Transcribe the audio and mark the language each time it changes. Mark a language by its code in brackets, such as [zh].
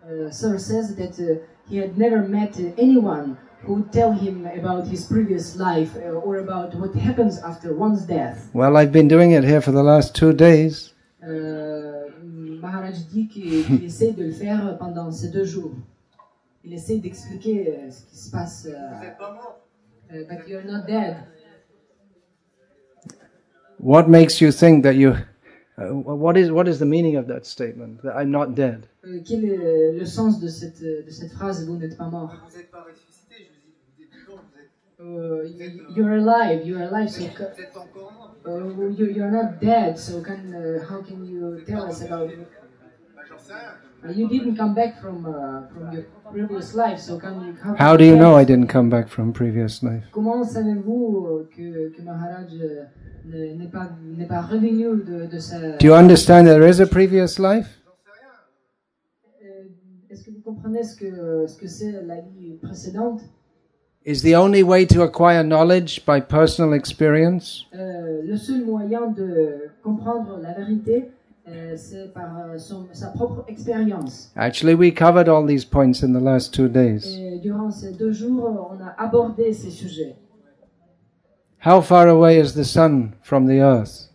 [en] Sir says that he had never met anyone who would tell him about his previous life or about what happens after one's death. Well, I've been doing it here for the last 2 days. [fr] Maharaj dit qu'il essaie de le faire pendant ces deux jours. Il essaie d'expliquer ce qui se passe. Vous êtes pas mort. [en] But you're not dead. What makes you think that you? What is the meaning of that statement? That I'm not dead. [fr] Quel est le sens de cette phrase? Vous n'êtes pas mort. Vous n'êtes pas ressuscité. Je vous dis, vous êtes vivant. Vous êtes. [en] You're alive. You're alive. [fr] Vous êtes encore mort. [en] You're not dead. So can how can you tell us about? [fr] J'en sais rien. [en] You didn't come back from your previous life. So can you? How do you know I didn't come back from previous life? [fr] Comment savez-vous que Maharaj n'est pas revenu de sa? [en] Do you understand that there is a previous life? [fr] Est-ce que vous comprenez ce que c'est la vie précédente? [en] Is the only way to acquire knowledge by personal experience? [fr] Le seul moyen de comprendre la vérité, c'est par sa propre expérience. [en] Actually, we covered all these points in the last 2 days. [fr] Durant ces deux jours, on a abordé ces sujets. [en] How far away is the sun from the earth?